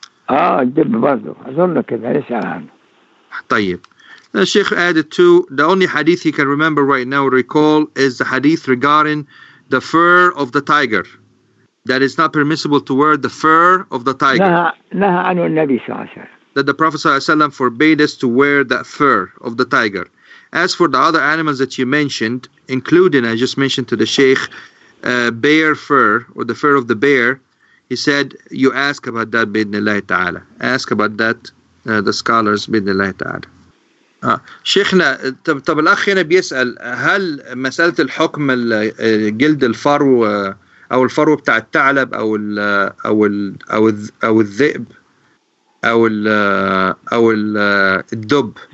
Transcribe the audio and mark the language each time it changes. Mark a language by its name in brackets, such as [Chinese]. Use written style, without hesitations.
[Arabic] الدب برضو أظن كده, ليس عنه. [English] طيب, the Sheikh added to the only hadith he can remember right now, recall, is the hadith regarding the fur of the tiger. That it's not permissible to wear the fur of the tiger. [Arabic] نهى عنه النبي صلى الله عليه وسلم. [English] That the Prophet [Arabic] صلى الله عليه وسلم [English] forbade us to wear that fur of the tiger. As for the other animals that you mentioned, including, I just mentioned to the Sheikh, bear fur or the fur of the bear, he said, you ask about that, [Arabic] بإذن الله تعالى. [English] Ask about that, the scholars, [Arabic] بإذن الله تعالى. شيخنا, طب الأخ هنا بيسأل, هل مسألة الحكم جلد الفرو أو الفرو بتاع الثعلب أو الـ أو الـ أو الـ أو الذئب أو الـ أو الـ الدب,